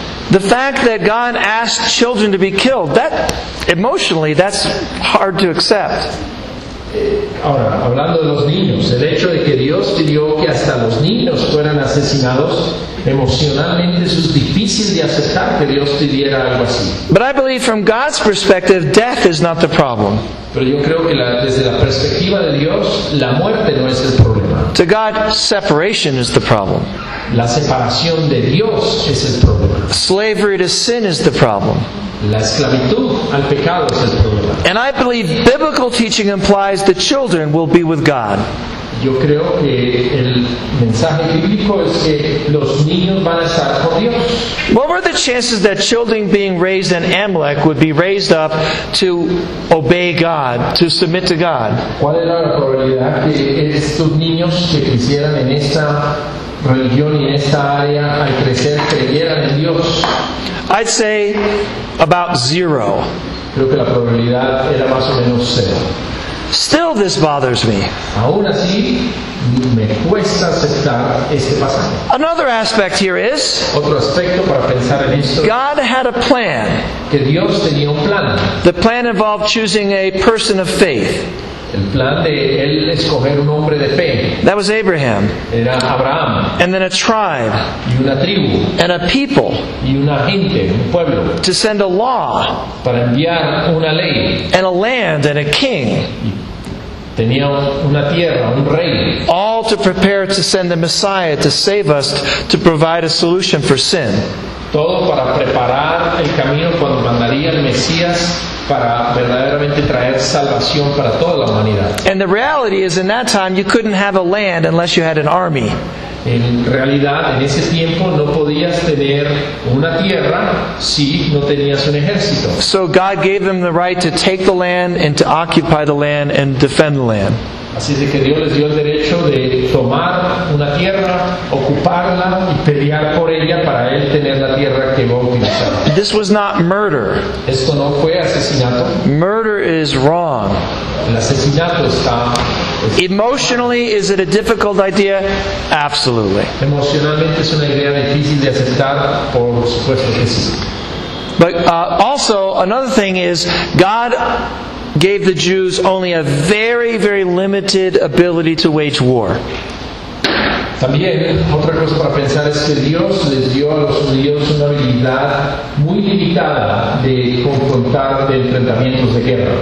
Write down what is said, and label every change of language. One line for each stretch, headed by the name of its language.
English: The fact that God asked children to be killed, that emotionally, that's hard to accept.
Spanish: Ahora, hablando de los niños, el hecho de que Dios pidió que hasta los niños fueran asesinados, emocionalmente eso es difícil de aceptar que Dios pidiera algo así.
English: But I believe from God's perspective, death is not the problem.
Spanish: Pero yo creo que desde la perspectiva de Dios, la muerte no es el problema.
English: To God, separation is the problem.
Spanish: La separación de Dios es el problema.
English: Slavery to sin is the problem.
Spanish: La esclavitud al pecado es el problema.
English: And I believe biblical teaching implies the children will be with God.
Spanish: Yo creo que el mensaje bíblico es que los niños van a estar con Dios.
English: What were the chances that children being raised in Amalek would be raised up to obey God, to submit to God?
Spanish: ¿Cuál era la probabilidad que estos niños que crecieran en esta religión y en esta área al crecer creyeran en Dios?
English: I'd say about zero.
Spanish: Creo que la probabilidad era más o menos cero.
English: Still, this bothers me.
Spanish: Aún así, me cuesta aceptar este pasaje.
English: Another aspect here is,
Spanish: otro aspecto para pensar en esto,
English: God had a plan.
Spanish: Que Dios tenía un plan.
English: The plan involved choosing a person of faith.
Spanish: El plan de él escoger un hombre de fe.
English: That was Abraham.
Spanish: Era Abraham.
English: And then a tribe.
Spanish: Y una tribu.
English: And a people.
Spanish: Y una gente, un pueblo.
English: To send a law.
Spanish: Para enviar una ley.
English: And a land and a king.
Spanish: Tenía una tierra, un rey.
English: All to prepare to send the Messiah to save us, to provide a solution for sin.
Spanish: Todo para preparar el camino cuando mandaría el Mesías para verdaderamente traer salvación para toda la humanidad.
English: And the reality is, in that time, you couldn't have a land unless you had an army.
Spanish: En realidad, en ese tiempo, no podías tener una tierra si no tenías un ejército.
English: So God gave them the right to take the land and to occupy the land and defend the land.
Spanish: Así es que Dios les dio el derecho de tomar una tierra, ocuparla y pelear por ella para él tener la tierra que va a utilizar.
English: This was not murder.
Spanish: Esto no fue asesinato.
English: Murder is wrong.
Spanish: El asesinato está...
English: Emotionally, is it a difficult idea? Absolutely.
Spanish: Emocionalmente es una idea difícil de aceptar, por supuesto que sí.
English: But also, another thing is, God gave the Jews only a very, very limited ability to wage war.
Spanish: También, otra cosa para pensar es que Dios les dio a los judíos una habilidad muy limitada de confrontar, de enfrentamientos de guerra.